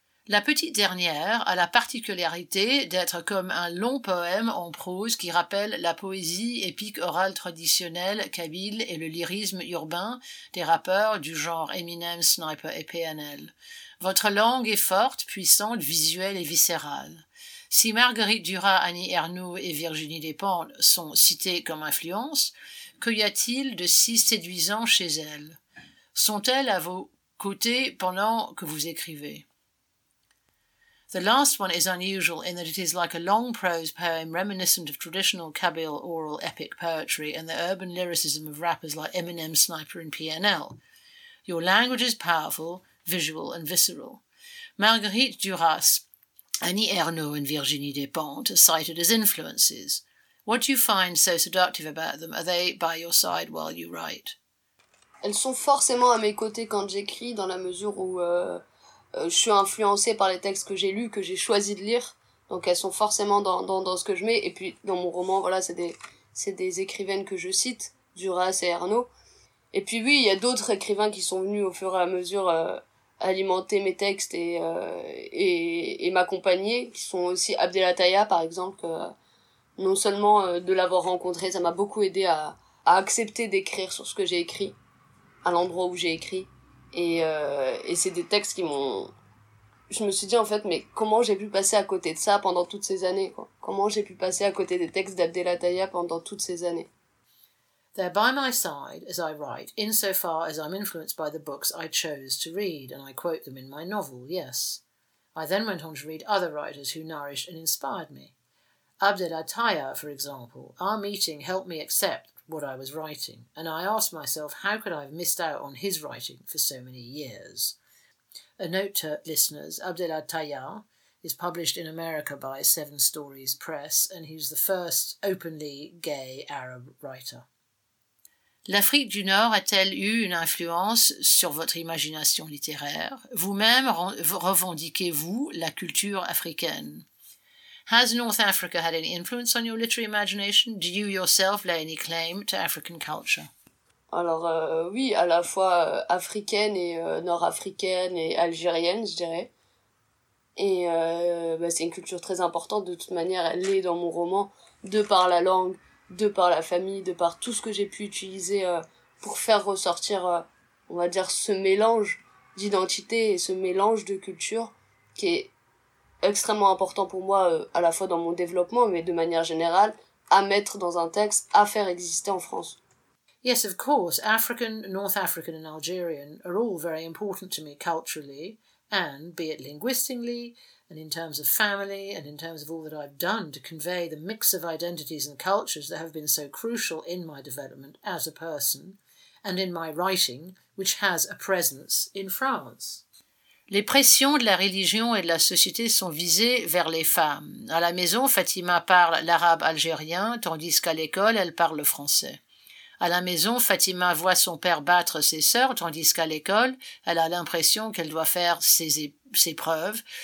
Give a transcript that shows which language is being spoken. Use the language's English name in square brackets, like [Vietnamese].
[French] La Petite Dernière a la particularité d'être comme un long poème en prose qui rappelle la poésie épique orale traditionnelle kabyle et le lyrisme urbain des rappeurs du genre Eminem, Sniper et PNL. Votre langue est forte, puissante, visuelle et viscérale. Si Marguerite Duras, Annie Ernaux et Virginie Despentes sont citées comme influences, que y a-t-il de si séduisant chez elles? Sont-elles à vos côtés pendant que vous écrivez? [English] The last one is unusual in that it is like a long prose poem reminiscent of traditional Kabyle oral epic poetry and the urban lyricism of rappers like Eminem, Sniper and PNL. Your language is powerful, visual and visceral. Marguerite Duras, Annie Ernaux and Virginie Despentes are cited as influences. What do you find so seductive about them? Are they by your side while you write? [French] Elles sont forcément à mes côtés quand j'écris, dans la mesure où je suis influencée par les textes que j'ai lus, que j'ai choisi de lire. Donc elles sont forcément dans ce que je mets. Et puis dans mon roman, voilà, c'est des écrivaines que je cite, Duras et Ernaux. Et puis oui, il y a d'autres écrivains qui sont venus au fur et à mesure alimenter mes textes et m'accompagner, qui sont aussi Abdel Attaya, par exemple, non seulement de l'avoir rencontré, ça m'a beaucoup aidé à accepter d'écrire sur ce que j'ai écrit, à l'endroit où j'ai écrit. Et c'est des textes qui m'ont... Je me suis dit, en fait, mais comment j'ai pu passer à côté de ça pendant toutes ces années, quoi? Comment j'ai pu passer à côté des textes d'Abdel Attaya pendant toutes ces années? [English] They're by my side as I write, insofar as I'm influenced by the books I chose to read, and I quote them in my novel, yes. I then went on to read other writers who nourished and inspired me. Abdel Attaya, for example, our meeting helped me accept what I was writing, and I asked myself how could I have missed out on his writing for so many years. A note to listeners, Abdel Attaya is published in America by Seven Stories Press, and he's the first openly gay Arab writer. [French] L'Afrique du Nord a-t-elle eu une influence sur votre imagination littéraire? Vous-même, revendiquez-vous la culture africaine? [English] Has North Africa had any influence on your literary imagination? Do you yourself lay any claim to African culture? [French] Alors, oui, à la fois africaine et nord-africaine et algérienne, je dirais. Et c'est une culture très importante. De toute manière, elle est dans mon roman, de par la langue, de par la famille, de par tout ce que j'ai pu utiliser pour faire ressortir, on va dire, ce mélange d'identité et ce mélange de culture qui est extrêmement important pour moi, à la fois dans mon développement, mais de manière générale, à mettre dans un texte, à faire exister en France. Yes, of course, African, North African and Algerian are all very important to me culturally, and be it linguistically, and in terms of family, and in terms of all that I've done to convey the mix of identities and cultures that have been so crucial in my development as a person, and in my writing, which has a presence in France. Les pressions de la religion et de la société sont visées vers les femmes. À la maison, Fatima parle l'arabe algérien, tandis qu'à l'école, elle parle le français. À la maison, Fatima voit son père battre ses sœurs, tandis qu'à l'école, elle a l'impression qu'elle doit faire ses preuves.